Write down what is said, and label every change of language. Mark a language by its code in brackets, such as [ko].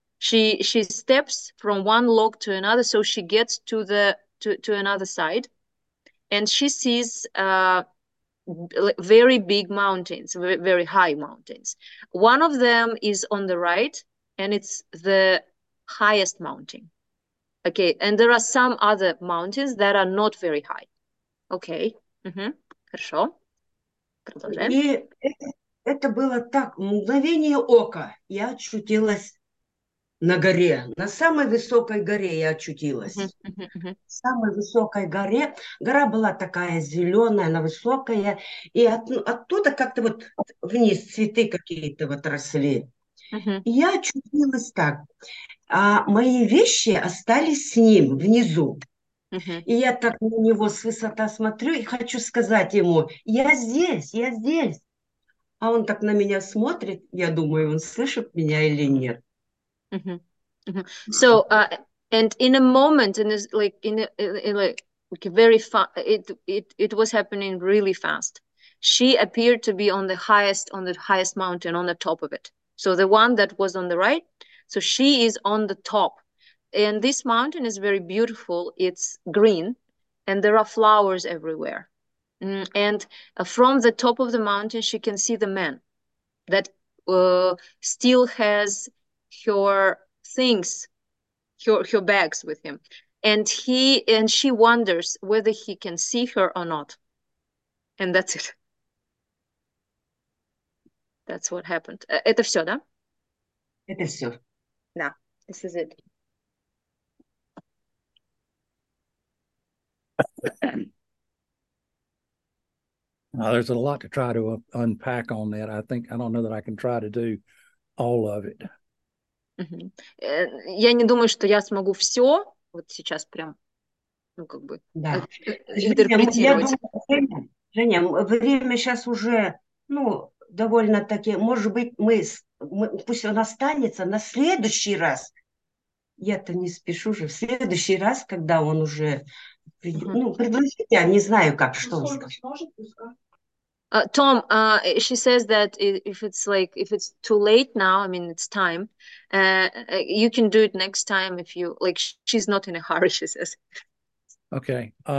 [en] She steps from one log to another, so she gets to the to another side, and she sees very big mountains, very, very high mountains. One of them is on the right, and it's the highest mountain. Okay, and there are some other mountains that are not very high. [ru] Okay. Хорошо. Продолжаем. И это было так, мгновение ока, я очутилась на горе, на самой высокой горе я очутилась. Самой высокой горе, гора была такая зеленая, она высокая, и оттуда как-то вот вниз цветы какие-то вот росли. Я очутилась так, а мои вещи остались с ним внизу. И я так на него с высоты смотрю и хочу сказать ему, я здесь, я здесь. А он так на меня смотрит, я думаю, он слышит меня или нет. [en] So, and in a moment, in this, like, in a very fast, it was happening really fast. She appeared to be on the highest mountain, on the top of it. So the one that was on the right, so she is on the top. And this mountain is very beautiful. It's green and there are flowers everywhere. And from the top of the mountain, she can see the man that still has her things, her bags with him. And he and she wonders whether he can see her or not. And that's it. That's what happened. [ru] Это все, да? Это все. [en] Да, this is it. Now, there's a lot to try to unpack on that. I think, I don't know that I can try to do all of it. [ru] Я не думаю, что я смогу все вот сейчас прям, ну, как бы, интерпретировать. Женя, время сейчас уже, ну, довольно-таки, может быть, мы пусть он останется на следующий раз. Я-то не спешу же. В следующий раз, когда он уже... Ну, предложите, я не знаю, как, что он скажет. [en] Tom, she says that if it's like if it's too late now, I mean it's time. You can do it next time if you like. She's not in a hurry. She says. Okay.